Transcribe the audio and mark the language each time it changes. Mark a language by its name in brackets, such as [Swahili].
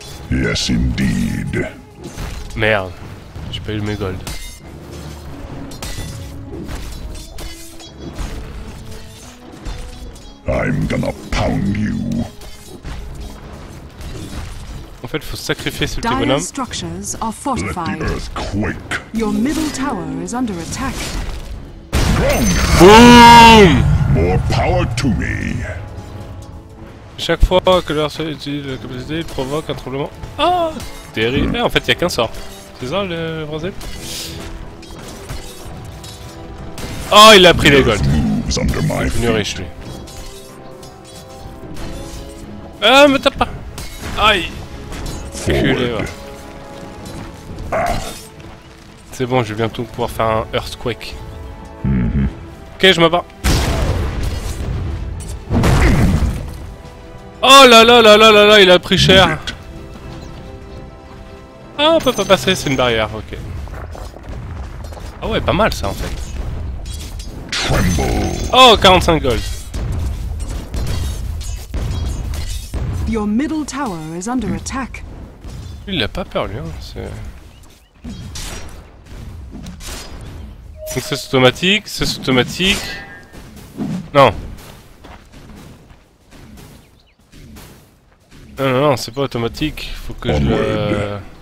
[English] Yes, indeed. [French] Merde, j'ai pas eu mes gold. [English] I'm gonna pound you. [French] En fait, faut sacrifier ce petit bonhomme. [English] Dire structures are fortified. Let the earth quake. Your middle tower is under attack. Boom! More power to me. [French] Chaque fois que leur seul utilise la capacité, il provoque un tremblement. Oh! Terrible! Mmh. Eh, en fait, y'a qu'un sort. C'est ça le bronzé? Oh, il a pris les gold! Il est devenu riche, lui. Ah, me tape pas! Aïe! Culé, ouais. C'est bon, je vais bientôt pouvoir faire un earthquake. Mmh. Ok, je me bats. Oh là là là là là là, il a pris cher. Ah, on peut pas passer, c'est une barrière, ok. Ah ouais, pas mal ça en fait. [English] Tremble. Oh, 45 gold. Your middle tower is under attack. [French] Il a pas peur lui, hein, c'est... Donc c'est automatique, c'est automatique. Non. Non, non, non, c'est pas automatique, faut que je le...